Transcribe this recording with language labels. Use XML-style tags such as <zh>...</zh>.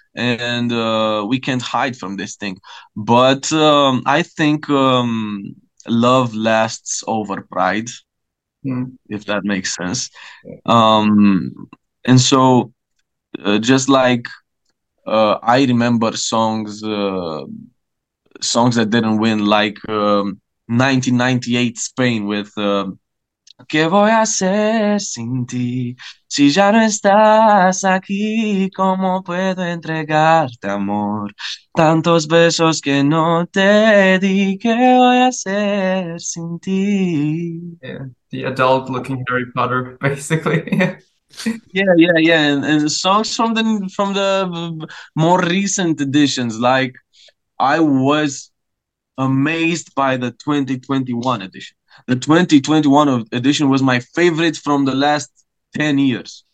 <en>And we can't hide from this thing. But I think love lasts over pride, if that makes sense. And so just like I remember songs. Songs that didn't win, like 1998 Spain with</en> <es>Que voy a hacer sin ti, si ya no estás aquí, como puedo entregarte amor, tantos besos que no te di, que voy a hacer sin ti.</es> <en>Yeah, the adult looking Harry Potter, basically. Yeah. And songs from the more recent editions, like I was amazed by the 2021 edition. The 2021 edition was my favorite from the last 10 years.</en>